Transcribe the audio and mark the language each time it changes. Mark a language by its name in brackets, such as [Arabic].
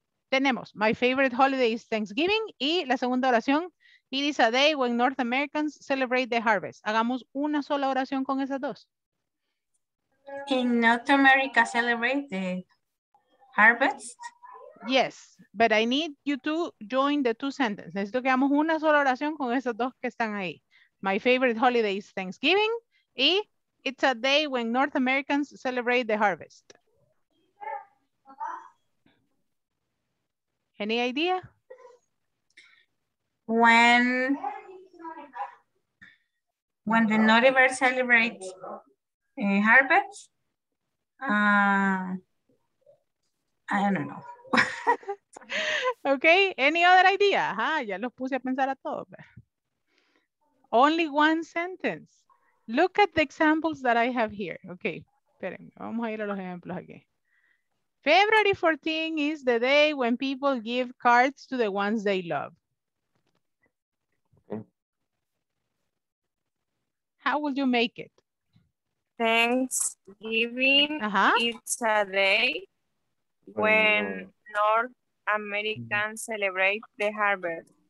[English] Tenemos, my favorite holiday is Thanksgiving, [Spanish] y la segunda oración, [English] it is a day when North Americans celebrate the harvest. [Spanish] Hagamos una sola oración con esas dos. [English] In North America celebrate the harvest? Yes, but I need you to join the two sentences. [Spanish] Necesito que hagamos una sola oración con esas dos que están ahí. [English] My favorite holiday is Thanksgiving, y it's a day when North Americans celebrate the harvest. Any idea? When the Nordivers celebrate a harvest? I don't know. Okay, any other idea? [Spanish] Ah, ya los puse a pensar a todos. [English] Only one sentence. Look at the examples that I have here. [Spanish] Okay, esperen, vamos a ir a los ejemplos aquí. [English] February 14 is the day when people give cards to the ones they love. Okay. How will you make it? Thanksgiving is a day when North Americans celebrate the harvest.